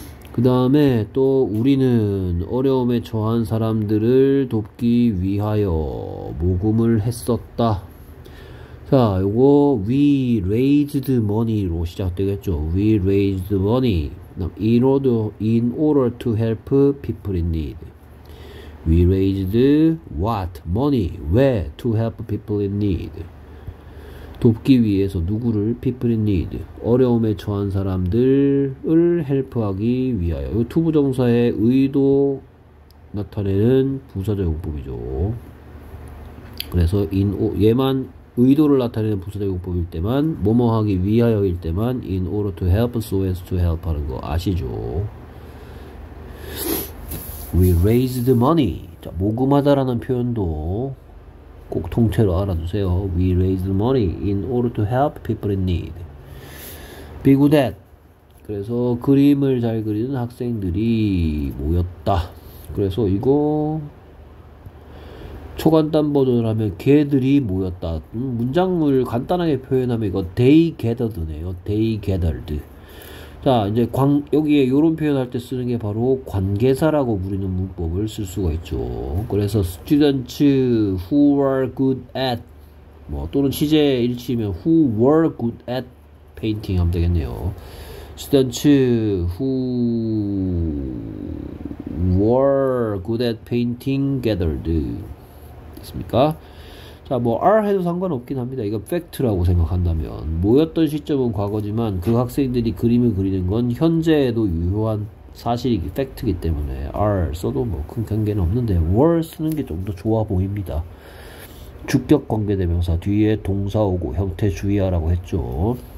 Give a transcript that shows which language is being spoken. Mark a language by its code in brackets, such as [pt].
[ko] 그 다음에 또 우리는 어려움에 처한 사람들을 돕기 위하여 모금을 했었다. 자, 요거 [en] we raised money [ko] 로 시작되겠죠. [en] We raised money in order to help people in need. We raised what money? Where to help people in need? [ko] 돕기 위해서 누구를? [en] People in need. [ko] 어려움에 처한 사람들을 헬프하기 위하여. 이 투부 정사의 의도 나타내는 부사적 용법이죠. 그래서 얘만 의도를 나타내는 부사적 용법일 때만, 뭐뭐 하기 위하여일 때만, [en] in order to help, so as to help [ko] 하는 거 아시죠? [en] We raised money. [ko] 자, 모금하다라는 표현도 꼭 통째로 알아두세요. [en] We raise money in order to help people in need. Be good at. [ko] 그래서 그림을 잘 그리는 학생들이 모였다. 그래서 이거 초간단 버전을 하면 걔들이 모였다. 문장을 간단하게 표현하면 이거 [en] they gathered [ko] 네요. [en] They gathered. [ko] 자, 이제 여기에 이런 표현할 때 쓰는 게 바로 관계사라고 부르는 문법을 쓸 수가 있죠. [en] 그래서 students who were good at [ko] 뭐 또는 시제 일치면 [en] who were good at painting [ko] 하면 되겠네요. [en] students who were good at painting gathered [ko] 있습니까? 자, 뭐 are 해도 상관없긴 합니다. 이거 fact라고 생각한다면 모였던 시점은 과거지만 그 학생들이 그림을 그리는 건 현재에도 유효한 사실이기 fact이기 때문에 are 써도 뭐큰 관계는 없는데 were 쓰는 게좀더 좋아 보입니다. 주격 관계대명사 뒤에 동사 오고 형태 주의하라고 했죠.